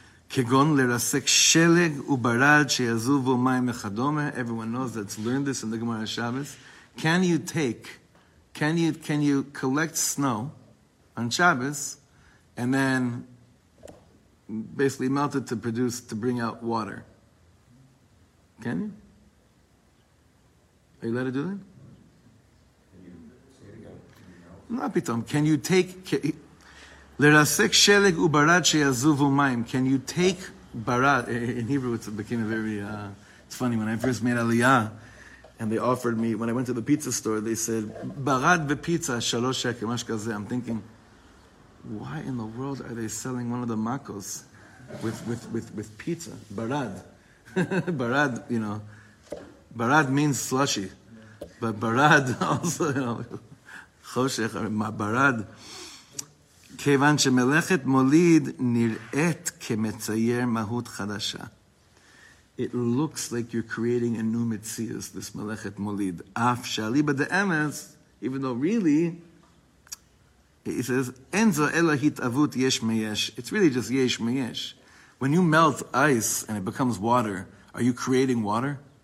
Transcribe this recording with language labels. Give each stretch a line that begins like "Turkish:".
Hebrew: כגון לרסק שלג וברד שיזובו מים וכדומה.
English: Everyone knows that's learned this in the Gemara Shabbos. Can you collect snow on Shabbos and then basically melt it to bring out water? Can you? Are you allowed to do that? Can you say it again? No, pitom. Can you take...
Hebrew: לרסק שלג וברד שיזובו מים.
English: Can you take barad? In Hebrew, it became a very... it's funny, when I first made Aliyah, and they offered me, when I went to the pizza store, they said, barad
Hebrew: ופיצה, שלוש שקל, מה שכזה.
English: I'm thinking, why in the world are they selling one of the makos with pizza? Barad. Barad, you know. Barad means slushy. But barad also, you know. חושך, barad.
Hebrew: כיוון שמלאכת מוליד נראית כמצייר מהות חדשה.
English: It looks like you're creating a new metzius, this מלאכת מוליד.
Hebrew: אף שעלי בדאמס,
English: even though really, he says,
Hebrew: אין זו אלא התאבות יש מיש.
English: It's really just יש מיש. When you melt ice and it becomes water, are you creating water?